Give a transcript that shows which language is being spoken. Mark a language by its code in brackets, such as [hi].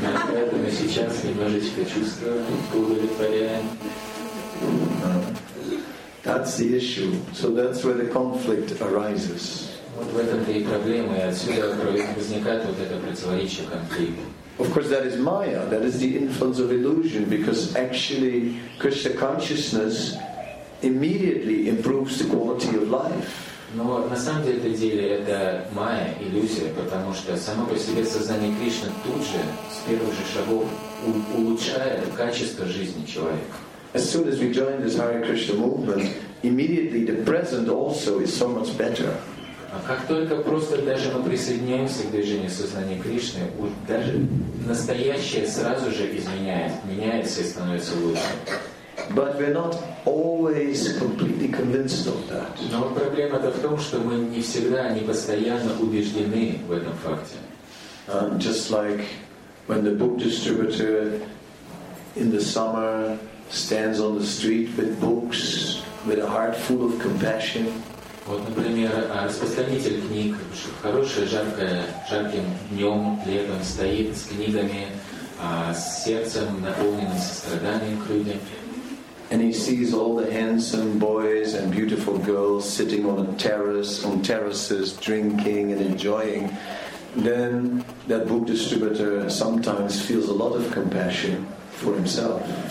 [ru] Поэтому сейчас немножечко чувствую удовлетворение. [en] That's the issue. So that's where the conflict arises. [ru] Вот в этом-то и проблема, и отсюда возникает вот это противоречие, конфликт. [en] Of course, that is Maya. That is the influence of illusion, because actually Krishna consciousness immediately improves the quality of life. [ru] Но на самом деле это майя, иллюзия, потому что само по себе сознание Кришны тут же, с первых же шагов, улучшает качество жизни человека. [en] As soon as we join this Hare Krishna movement, immediately the present also is so much better. [ru] А как только просто даже мы присоединяемся к движению сознания Кришны, даже настоящее сразу же меняется и становится лучше. [en] But we're not always completely convinced of that. [ru] Но проблема-то в том, что мы не всегда, не постоянно убеждены в этом факте. [en] Just like when the book distributor in the summer stands on the street with books, with a heart full of compassion. [ru] Вот, например, распространитель книг, хорошее, жарким днем, летом стоит с книгами, с сердцем, наполненным состраданием к людям. [en] And he sees all the handsome boys and beautiful girls sitting on a terrace, on terraces, drinking and enjoying. Then that book distributor sometimes feels a lot of compassion for himself.